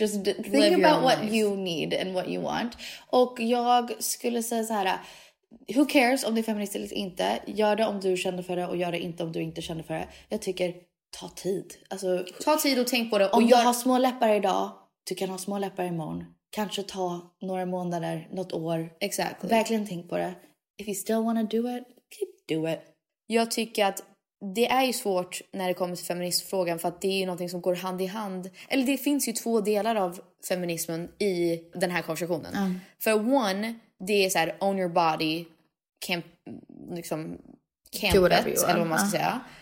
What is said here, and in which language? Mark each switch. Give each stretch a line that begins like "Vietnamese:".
English: Just think about what life you need and what you want.
Swedish: Och jag skulle säga så här,
English: who cares
Swedish: om du är feminist eller inte. Gör det om du känner för det. Och gör det inte om du inte känner för det. Jag tycker, ta tid. Alltså, ta tid och tänk på det. Om jag har små läppar idag, du kan ha små läppar imorgon. Kanske ta några månader, något år.
English: Exactly.
Swedish: Verkligen tänk på det.
English: If you still want to do it, keep do it.
Swedish: Jag tycker att det är ju svårt när det kommer till feministfrågan, för att det är ju någonting som går hand i hand. Eller det finns ju två delar av feminismen i den här konversationen. För one, det är så här,
English: own your body,
Swedish: camp, liksom, campet,
English: do whatever you want,
Swedish: eller vad man ska säga.